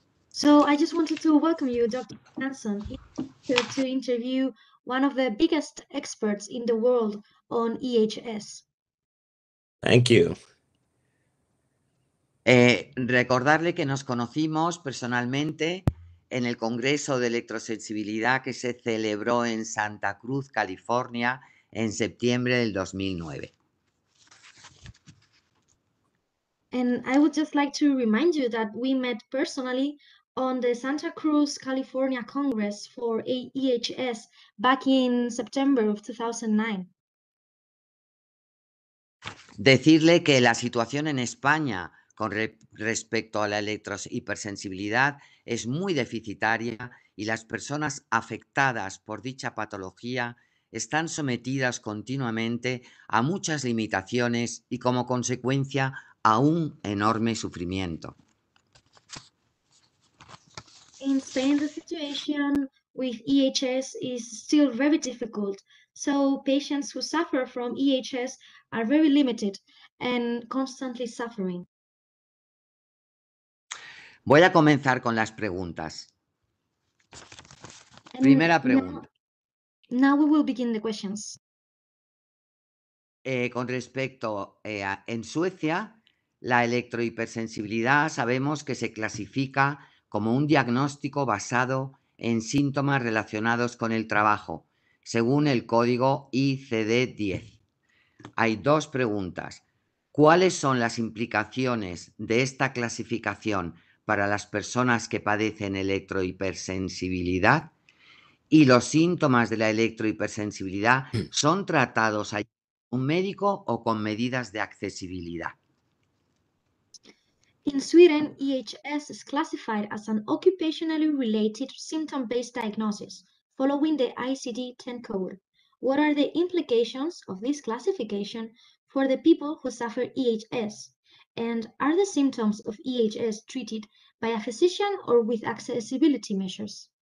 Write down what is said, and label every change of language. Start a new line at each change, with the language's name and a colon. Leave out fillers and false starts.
English: So I just wanted to welcome you, Dr. Johansson, to interview one of the biggest experts in the world on EHS. Thank you.
Spanish: Recordarle que nos conocimos personalmente en el Congreso de Electrosensibilidad que se celebró en Santa Cruz, California, en septiembre del 2009.
English: And I would just like to remind you that we met personally on the Santa Cruz, California Congress for EHS back in September of 2009.
Spanish: Decirle que la situación en España con respecto a la electrohipersensibilidad es muy deficitaria y las personas afectadas por dicha patología están sometidas continuamente a muchas limitaciones y como consecuencia a un enorme sufrimiento.
English: In Spain, the situation with EHS is still very difficult. So patients who suffer from EHS are very limited and constantly suffering.
Spanish: Voy a comenzar con las preguntas. And primera pregunta.
English: Now we will begin the questions.
Spanish: Con respecto a en Suecia, la electrohipersensibilidad sabemos que se clasifica como un diagnóstico basado en síntomas relacionados con el trabajo, según el código ICD-10. Hay dos preguntas. ¿Cuáles son las implicaciones de esta clasificación para las personas que padecen electrohipersensibilidad? ¿Y los síntomas de la electrohipersensibilidad son tratados por un médico o con medidas de accesibilidad?
English: In Sweden, EHS is classified as an occupationally related symptom-based diagnosis following the ICD-10 code. What are the implications of this classification for the people who suffer EHS? And are the symptoms of EHS treated by a physician or with accessibility measures?